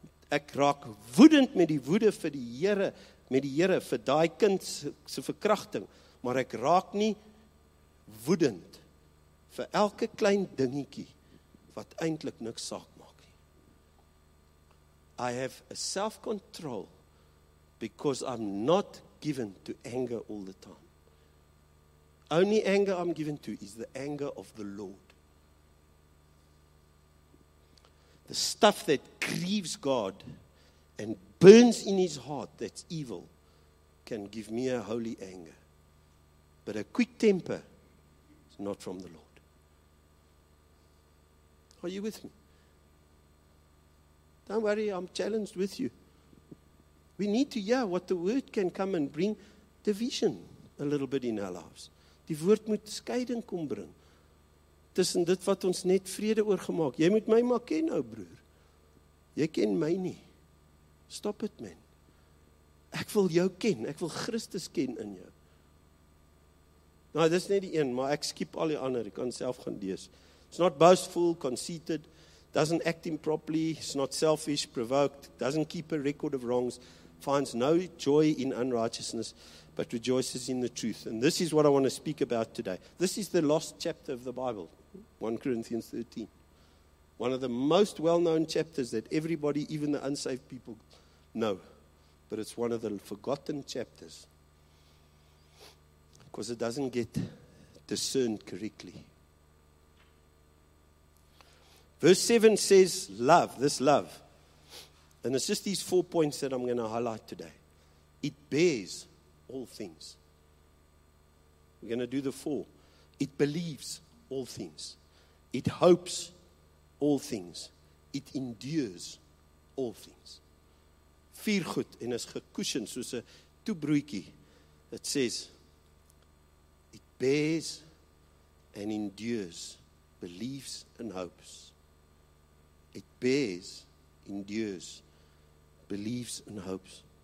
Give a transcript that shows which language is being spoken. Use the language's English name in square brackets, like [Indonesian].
[Afrikaans] Ek raak woedend met die woede vir die Here, met die Here vir daai kind se verkrachting, maar ek raak nie woedend vir elke klein dingetjie wat eintlik niks saak. [English] I have a self-control because I'm not given to anger all the time. Only anger I'm given to is the anger of the Lord. The stuff that grieves God and burns in His heart that's evil can give me a holy anger. But a quick temper is not from the Lord. Are you with me? Don't worry, I'm challenged with you. We need to hear what the word can come and bring division a little bit in our lives. [Afrikaans] Die woord moet skeiding kom bring. Tussen dit wat ons net vrede oor gemaak. Jy moet my maar ken nou, broer. Jy ken my nie. [English] Stop it, man. [Afrikaans] Ek wil jou ken. Ek wil Christus ken in jou. Nou, dis net die een, maar ek skiep al die ander. Ek kan self gaan lees. [English] It's not boastful, conceited, doesn't act improperly, it's not selfish, provoked, doesn't keep a record of wrongs, finds no joy in unrighteousness, but rejoices in the truth. And this is what I want to speak about today. This is the lost chapter of the Bible, 1 Corinthians 13. One of the most well-known chapters that everybody, even the unsaved people, know. But it's one of the forgotten chapters. Because it doesn't get discerned correctly. Verse 7 says, love, this love. And it's just these 4 points that I'm going to highlight today. It bears all things. We're going to do the 4. It believes all things. It hopes all things. It endures all things. [Afrikaans] Vier goed en is gekoesjen soos 'n toebroekie. [English] It says, it bears and endures, believes and hopes. It bears, endures, believes and hopes.